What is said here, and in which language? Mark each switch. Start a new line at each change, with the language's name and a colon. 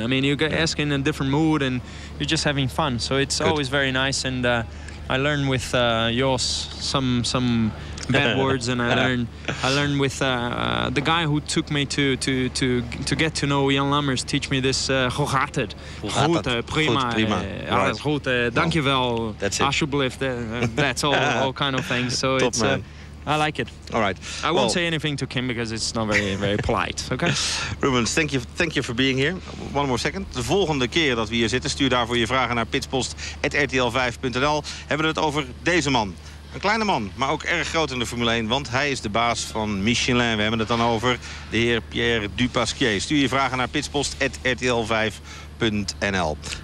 English: I mean, you get asked in a different mood, and you're just having fun. So it's good. Always very nice, and I learn with yours some bad words, and I learned with the guy who took me to get to know Jan Lammers teach me this gehatet.
Dutch: Goed, prima. Alles goed, dankjewel, alsjeblieft.
English: That's all kind of things. So top it's man. I like it. All right. I won't say anything to Kim because it's not very, very polite. Okay. Rubens, thank you for being here. One more second.
Dutch: De volgende keer dat we hier zitten, stuur daarvoor je vragen naar pitspost@rtl5.nl. Hebben we het over deze man. Een kleine man, maar ook erg groot in de Formule 1, want hij is de baas van Michelin. We hebben het dan over de heer Pierre Dupasquier. Stuur je vragen naar pitspost@rtl5.nl.